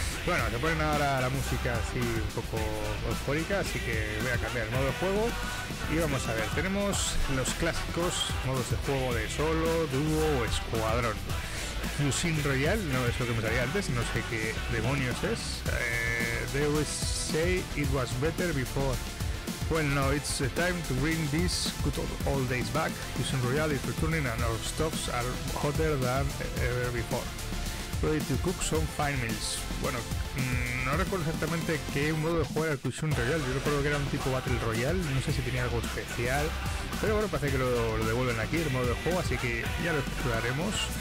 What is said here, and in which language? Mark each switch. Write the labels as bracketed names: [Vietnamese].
[Spanish] Bueno, se ponen ahora la música así un poco eufórica, así que voy a cambiar el modo de juego y vamos a ver. Tenemos los clásicos modos de juego de solo, dúo o escuadrón. Cursed Royal, no es lo que me salía antes, no sé qué demonios es. [English] They always say it was better before. Well, now it's time to bring these good old days back. Cursed Royal is returning and our stocks are hotter than ever before. Ready to cook some fine meals. [Spanish] Bueno, no recuerdo exactamente qué modo de jugar al Cursed Royal. Yo recuerdo que era un tipo Battle Royale, no sé si tenía algo especial. Pero bueno, parece que lo devuelven aquí, el modo de juego, así que ya lo exploraremos.